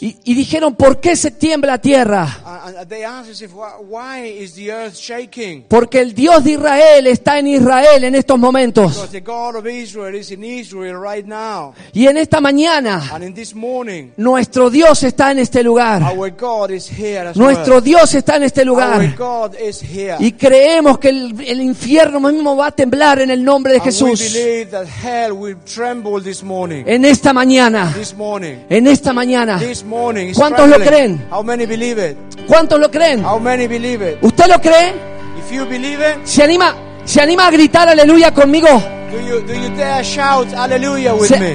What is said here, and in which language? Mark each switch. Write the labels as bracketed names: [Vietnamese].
[Spanish] Y dijeron, ¿por qué se tiembla la tierra? [English] They asked us if, why is the earth shaking? [Spanish] Porque el Dios de Israel está en Israel en estos momentos. [English] Because the God of Israel is in Israel right now. [Spanish] Y en esta mañana [English] And in this morning, [Spanish] nuestro Dios está en este lugar. [English] Our God is here. [Spanish] Nuestro Dios está en este lugar. [English] Our God is here. [Spanish] Y creemos que el infierno mismo va a temblar en el nombre de Jesús. [English] And we believe that hell will tremble this morning. [Spanish] En esta mañana. [English] This morning. [Spanish] En esta mañana. [English] This morning. [Spanish] ¿Cuántos lo creen? [English] How many believe it? [Spanish] ¿Cuántos lo creen? [English] How many believe it? [Spanish] ¿Usted lo cree? [English] If you believe it, [Spanish] ¿Se anima a gritar aleluya conmigo? [English] Do you dare shout aleluya with me?